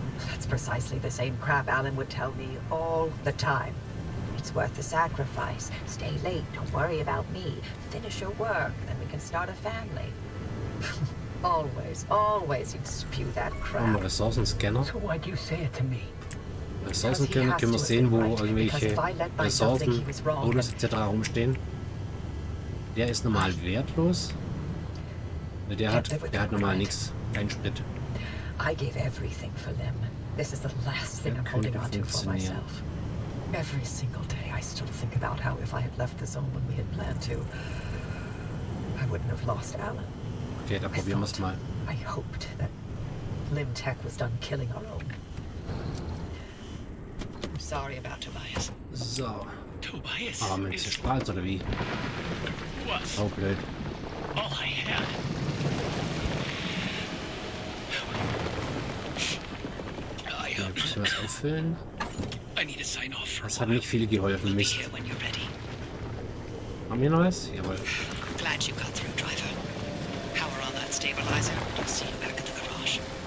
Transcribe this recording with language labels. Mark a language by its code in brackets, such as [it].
[en] That's precisely the same crap Alan would tell me all the time. It's worth the sacrifice. Stay late, don't worry about me. Finish your work, then we can start a family. Always, always you spew that crap. [de] Oh, Ressourcenscanner. [en] So why do you say it to me? [de] Ressourcenscanner, können wir sehen, wo irgendwelche Ressourcen, Bonus etc. rumstehen. Der ist normal wertlos. Der hat normal nichts, kein Sprit. [en] I gave everything for them. This is the last thing I'm holding on to for myself. Every single day I still think about how if I had left the zone when we had planned to, I wouldn't have lost Alan. [de] Okay, da probieren wir es mal. [en] I hoped that Lim Tech was done killing our own. I'm sorry about Tobias. So. Tobias. [de] Aber wenn es ist Spaß, oder wie? Was? Oh, blöd. [en] All I had. [de] Müssen wir es auffüllen? Das hat nicht viel geholfen, Mist. Haben wir noch was? Jawohl. [en] Glad you got through, Driver. Power on that stabilizer. I'll see you back at the garage.